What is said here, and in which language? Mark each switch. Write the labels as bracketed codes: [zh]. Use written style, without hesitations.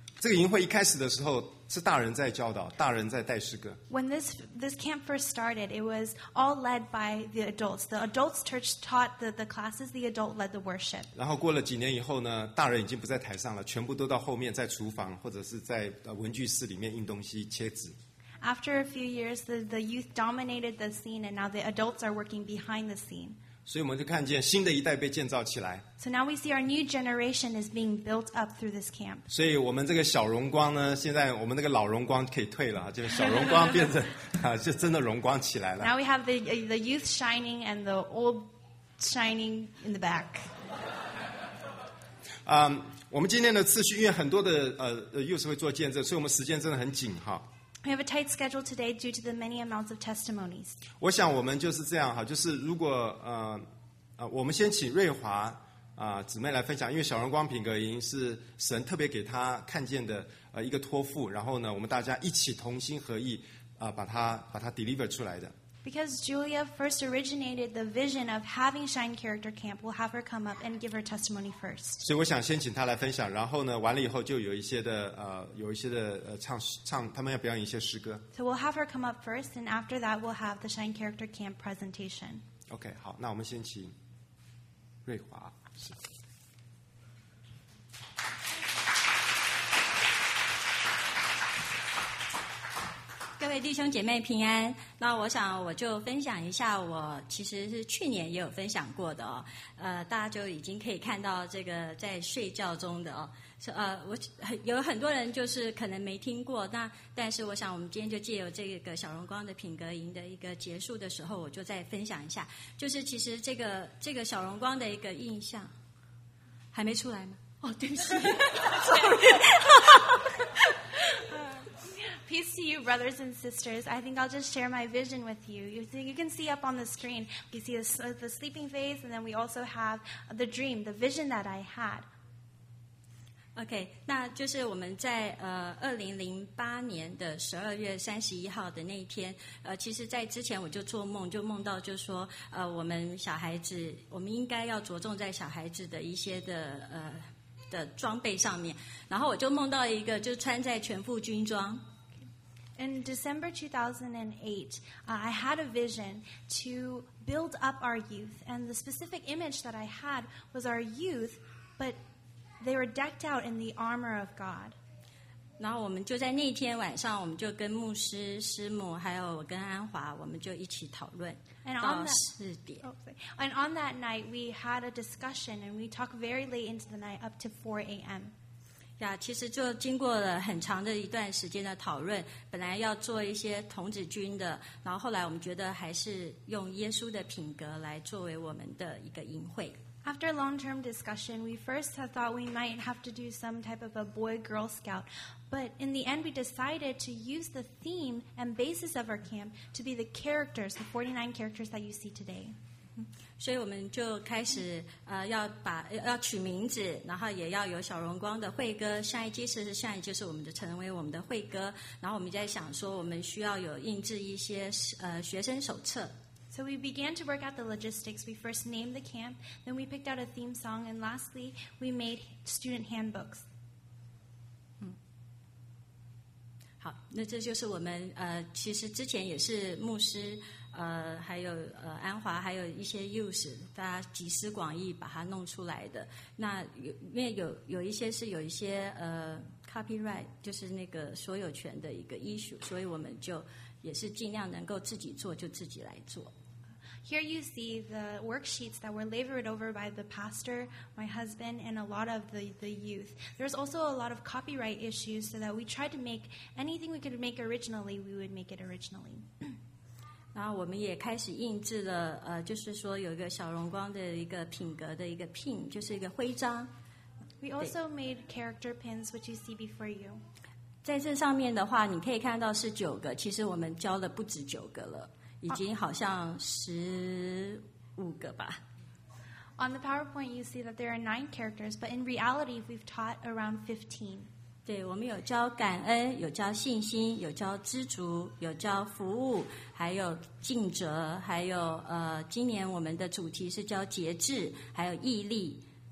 [zh] 这个营会一开始的时候是大人在教导，大人在带诗歌。 [en] When this camp first started, it was all led by the adults. The adults' church taught the classes. The adult led the worship. [zh] 然后过了几年以后呢，大人已经不在台上了，全部都到后面，在厨房或者是在文具室里面印东西、切纸。 [en] After a few years, the youth dominated the scene, and now the adults are working behind the scene. [zh] 所以我们就看见新的一代被建造起来。 [en] So now we see our new generation is being built up through this camp. [zh] 所以我们这个小荣光呢，现在我们那个老荣光可以退了，就是小荣光变成就真的荣光起来了。 [en] Now we have the youth shining and the old shining in the back. [zh] 我们今天的次序，因为很多的youth会做见证，所以我们时间真的很紧哈。 [en] We have a tight schedule today due to the many amounts of testimonies. [zh] 我想我们就是这样哈，就是如果我们先请瑞华姊妹来分享，因为小荣光品格营是神特别给她看见的一个托付，然后呢，我们大家一起同心合意把它 deliver 出来的。 [en] Because Julia first originated the vision of having Shine Character Camp, we'll have her come up and give her testimony first. [zh] 所以我想先请她来分享，然后呢，完了以后就有一些的唱，他们要表演一些诗歌。 [en] So we'll have her come up first, and after that, we'll have the Shine Character Camp presentation. [zh] Okay, 好，那我们先请瑞华。各位弟兄姐妹平安，那我想我就分享一下，我其实是去年也有分享过的哦。大家就已经可以看到这个在睡觉中的哦。我有很多人就是可能没听过，那但是我想我们今天就借由这个小荣光的品格营的一个结束的时候，我就再分享一下，就是其实这个小荣光的一个印象还没出来吗？哦，对不起 [en] ，sorry 。 Peace to you, brothers and sisters. I think I'll just share my vision with you. You can see up on the screen, you see the sleeping face, and then we also have the dream, the vision that I had. [zh] Okay, 那就是我们在2008年的12月31号的那一天，其实在之前我就做梦，就梦到就说我们小孩子，我们应该要着重在小孩子的一些的装备上面，然后我就梦到一个就穿在全副军装。 [en] In December 2008, I had a vision to build up our youth. And the specific image that I had was our youth, but they were decked out in the armor of God. [zh] 然后我们就在那天晚上，我们就跟牧师、师母，还有我跟安华，我们就一起讨论到四点。 [en] And on that night, we had a discussion, and we talked very late into the night, up to 4 a.m. [zh] Yeah, 其实就经过了很长的一段时间的讨论，本来要做一些童子军的，然后后来我们觉得还是用耶稣的品格来作为我们的一个营会。 [en] After long-term discussion, we first had thought we might have to do some type of a boy-girl scout, but in the end, we decided to use the theme and basis of our camp to be the characters, the 49 characters that you see today. [zh] 所以我们就开始要取名字，然后也要有小荣光的会歌 Shine Jesus Shine， 就是我们的成为我们的会歌，然后我们在想说我们需要有印制一些学生手册。 [en] So we began to work out the logistics. We first named the camp, then we picked out a theme song, and lastly we made student handbooks. [zh] 好，那这就是我们其实之前也是牧师还有安华，还有一些 youth， 大家集思广益把它弄出来的。那因为有一些是有一些copyright， 就是那个所有权的一个 issue， 所以我们就也是尽量能够自己做就自己来做。 [en] Here you see the worksheets that were labored over by the pastor, my husband, and a lot of the youth. There's also a lot of copyright issues, so that we tried to make anything we could make originally, we would make it originally. [zh] 然后我们也开始印制了就是说有一个小荣光的一个品格的一个 pin， 就是一个徽章。 [en] We also made character pins, which you see before you. [zh] 在这上面的话，你可以看到是九个，其实我们教了不止九个了，已经好像15个吧。 [en] On the PowerPoint, you see that there are 9 characters, but in reality, we've taught around 15. [zh] 对，我们有教感恩，有教信心，有教知足，有教服务。还有尽责，还有今年我们的主题是叫节制，还有毅力。